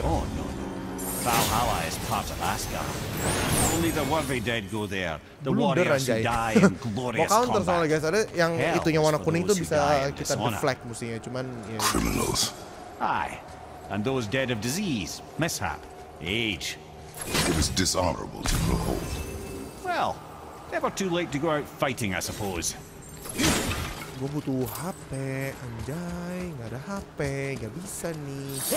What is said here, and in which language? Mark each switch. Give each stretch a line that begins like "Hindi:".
English: Oh no, Valhalla is part of Asgard. Only the worthy dead go there. The
Indonesian: blunder, anjay. Mau counter soalnya guys, ada yang hell itunya warna kuning itu bisa kita deflect musuhnya, cuman ya.
English: Criminals. Aye, and those dead of disease, mishap, age. It is dishonorable to grow old. Well, never too late to go out fighting, I suppose.
Indonesian: Gue butuh HP, anjay, nggak ada HP, nggak bisa nih.